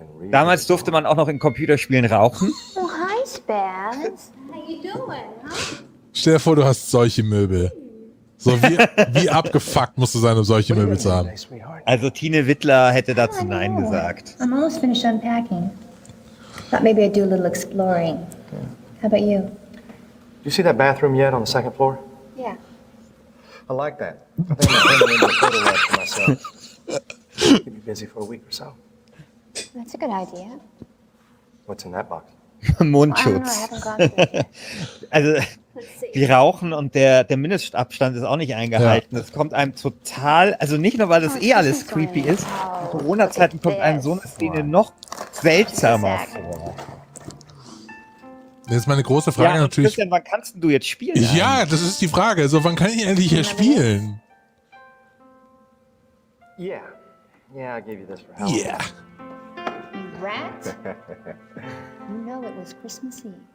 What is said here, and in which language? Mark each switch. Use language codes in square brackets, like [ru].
[de] Damals durfte man auch noch in Computerspielen rauchen. [en] Oh, hi, Spaz. How you doing, huh? [de] Stell dir vor, du hast solche Möbel. So, wie abgefuckt musst du sein, um solche Möbel zu haben? Also, Tine Wittler hätte dazu Nein gesagt. [en] I'm almost finished unpacking. Thought maybe I'd do a little exploring. How about you? Do you see that bathroom yet on the second floor? Yeah. I like that. I think I'm going to need a photo lab for myself. Keep you busy for a week or so. That's a good idea. What's in that box? [de] Mundschutz. Also, die rauchen und der Mindestabstand ist auch nicht eingehalten. Ja. Das kommt einem total, also nicht nur, weil das eh alles creepy ist, in Corona-Zeiten kommt einem so eine Szene noch seltsamer vor. Das ist meine große Frage natürlich. Christian, wann kannst du jetzt spielen? Ja, das ist die Frage. Also, wann kann ich endlich hier spielen? [en] Yeah. Yeah, I gave you this for help. Yeah. Rat? You know it was Christmas Eve.